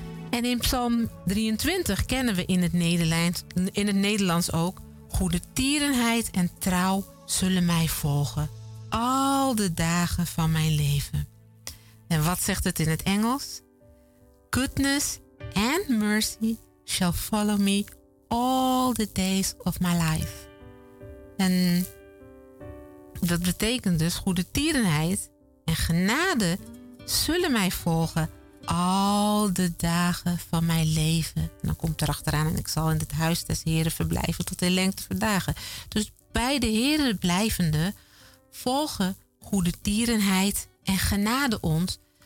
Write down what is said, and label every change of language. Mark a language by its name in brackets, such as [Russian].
[Dutch] En in Psalm 23 kennen we in het Nederlands ook: goede tierenheid en trouw zullen mij volgen al de dagen van mijn leven. En wat zegt het in het Engels? [English] Goodness and mercy shall follow me all the days of my life. [Dutch] En dat betekent dus: goede tierenheid en genade zullen mij volgen al de dagen van mijn leven. En dan komt er achteraan: en ik zal in het huis des Heren verblijven tot in lengte van dagen. Dus bij de Heren blijvende volgen goede tierenheid en genade ons.